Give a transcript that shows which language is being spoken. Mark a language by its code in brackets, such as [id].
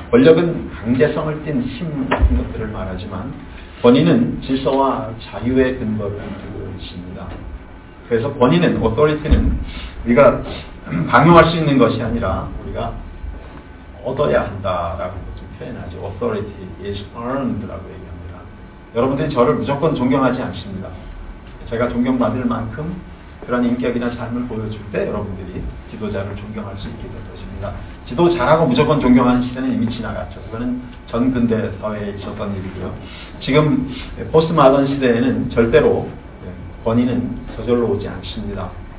[ko] 권력은 강제성을 띈 힘 같은 것들을 말하지만 권위는 질서와 자유의 근거를 두고 있습니다. 그래서 권위는, authority는 우리가 강요할 수 있는 것이 아니라 우리가 얻어야 한다라고 좀 표현하죠. [en] Authority is earned [ko] 라고 얘기합니다. 여러분들이 저를 무조건 존경하지 않습니다. 제가 존경받을 만큼 그런 인격이나 삶을 보여줄 때 여러분들이 지도자를 존경할 수 있게 될 것입니다. 지도자라고 무조건 존경하는 시대는 이미 지나갔죠. 그거는 전 근대 사회에 있었던 일이고요. 지금 포스트마던 시대에는 절대로 권위는 저절로 오지 않습니다.